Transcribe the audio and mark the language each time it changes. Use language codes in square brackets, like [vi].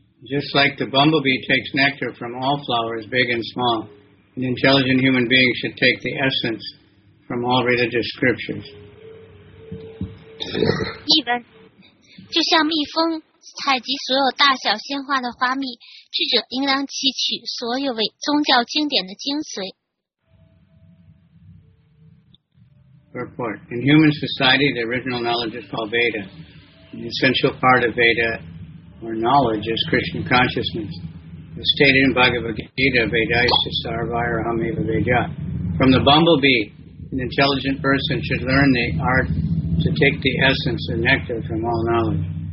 [en] Just like the bumblebee takes nectar from all flowers, big and small, an intelligent human being should take the essence from all religious scriptures. [zh] 一般，就像蜜蜂采集所有大小鲜花的花蜜，智者应当汲取所有为宗教经典的精髓。 [en] Report. In human society, the original knowledge is called Veda. An essential part of Veda. Or knowledge is Krishna consciousness. As stated in Bhagavad Gita, [sa] Vedaisya Sarvairahameva Veda. [en] From the bumblebee, an intelligent person should learn the art to take the essence and nectar from all knowledge.